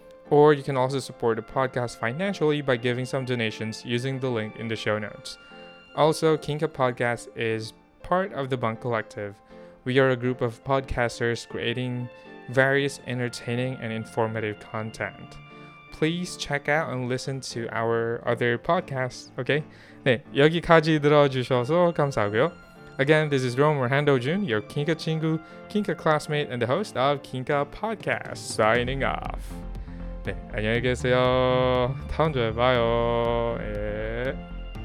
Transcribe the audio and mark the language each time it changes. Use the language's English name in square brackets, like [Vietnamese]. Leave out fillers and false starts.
[English] Or you can also support the podcast financially by giving some donations using the link in the show notes. Also, Kinka Podcast is part of the Bunk Collective. We are a group of podcasters creating various entertaining and informative content. Please check out and listen to our other podcasts, okay? [Korean] 네, 여기까지 들어주셔서 감사하고요. [English] Again, this is Rome Rohando Jun, your Kinka 친구, Kinka classmate, and the host of Kinka Podcast, signing off. [Korean] 네, 안녕히 계세요. 다음 주에 봐요. 예.